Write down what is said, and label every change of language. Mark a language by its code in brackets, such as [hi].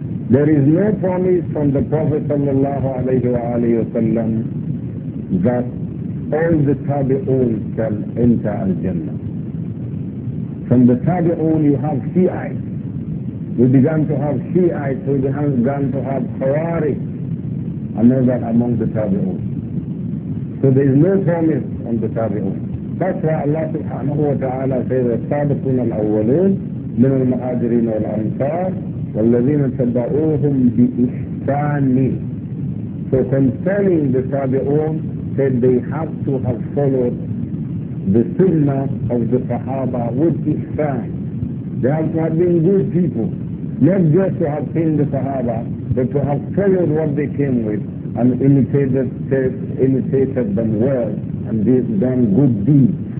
[en] There is no promise from the Prophet sallallahu alayhi wa alayhi wa sallam that all the Tabi'un shall enter al-Jannah. From the Tabi'un you have Shi'ites. We began to have Shi'ites, we began to have Khawarij, and all that among the Tabi'un. So there is no promise on the Tabi'un. That's why Allah subhanahu wa ta'ala says [ar] الصادقون الأولون من المهاجرين والأنصار والذين تبعوهم بإحسان. [en] So concerning the Tabi'un, said they have to have followed the Sunnah of the Sahaba with Ihsan. They have to have been good people, not just to have seen the Sahaba, but to have followed what they came with and imitated them well, and they've done good deeds.